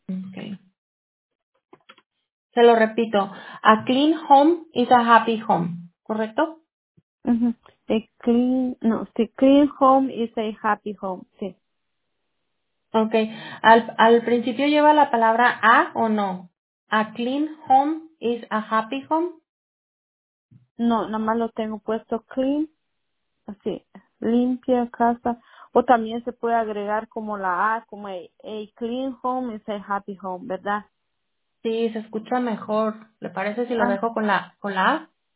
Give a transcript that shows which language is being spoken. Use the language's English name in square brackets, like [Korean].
[Spanish] Okay. Se lo repito, a clean home is a happy home, ¿correcto? [English] Uh-huh. A clean home is a happy home, sí. [Spanish] Okay, al principio lleva la palabra a o no. [English] A clean home is a happy home. [Spanish] No, nada más lo tengo puesto clean, así, limpia casa. O también se puede agregar como la a, como a clean home is a happy home, ¿verdad? Sí, se escucha mejor. ¿Le parece si lo dejo con la A?